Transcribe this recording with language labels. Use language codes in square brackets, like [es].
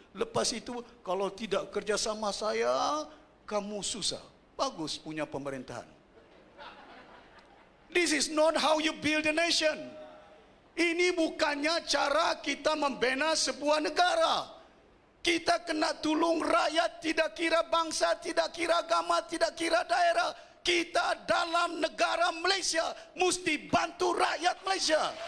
[ms] Lepas itu, kalau tidak kerjasama saya, kamu susah. Bagus punya pemerintahan. [en] This is not how you build a nation. [ms] Ini bukannya cara kita membina sebuah negara. Kita kena tolong rakyat, tidak kira bangsa, tidak kira agama, tidak kira daerah. Kita dalam negara Malaysia mesti bantu rakyat Malaysia.